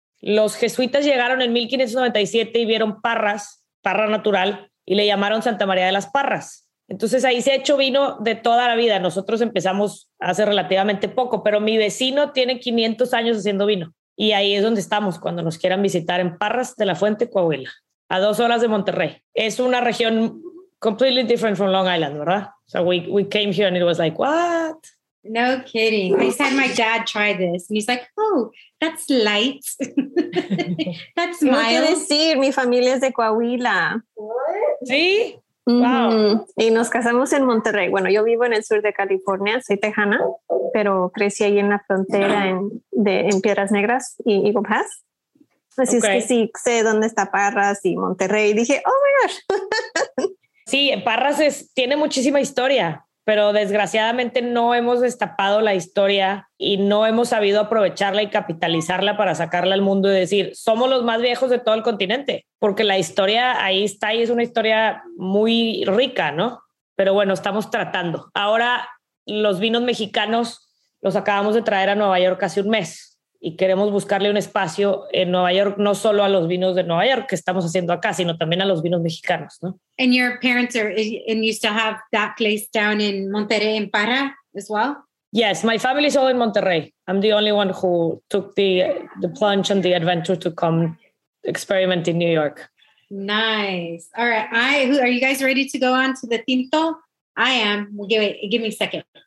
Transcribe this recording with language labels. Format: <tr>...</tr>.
<es>Los jesuitas llegaron en 1597 y vieron Parras, Parra natural, y le llamaron Santa María de las Parras. Entonces ahí se ha hecho vino de toda la vida. Nosotros empezamos hace relativamente poco, pero mi vecino tiene 500 años haciendo vino. Y ahí es donde estamos cuando nos quieran visitar, en Parras de la Fuente, Coahuila, a 2 horas de Monterrey. Es una región...</es> <en>completely different from Long Island,</en> <es>¿verdad?</es> <en>So we came here and it was like, what? No kidding. I said my dad try this. And he's like, oh, that's light. That's mild.</en> <es>¿Qué decir? Mi familia es de Coahuila.</es> <en>What?</en> <es>¿Sí? Mm-hmm. Wow. Y nos casamos en Monterrey. Bueno, yo vivo en el sur de California. Soy tejana, pero crecí ahí en la frontera en Piedras Negras y Eagle Pass. Así okay. Es que sí, sé dónde está Parras y Monterrey. Y dije,</es> <en>oh my gosh.</en> <es>Sí, Parras tiene muchísima historia, pero desgraciadamente no hemos destapado la historia y no hemos sabido aprovecharla y capitalizarla para sacarla al mundo y decir, somos los más viejos de todo el continente, porque la historia ahí está y es una historia muy rica, ¿no? Pero bueno, estamos tratando. Ahora los vinos mexicanos los acabamos de traer a Nueva York hace un mes y queremos buscarle un espacio en Nueva York, no solo a los vinos de Nueva York que estamos haciendo acá, sino también a los vinos mexicanos, ¿no?</es> <en>And your parents you still have that place down in Monterrey and Parra as well? Yes, my family is all in Monterrey. I'm the only one who took the plunge and the adventure to come experiment in New York. Nice. All right. Are you guys ready to go on to the tinto? I am. Give me a second.</en>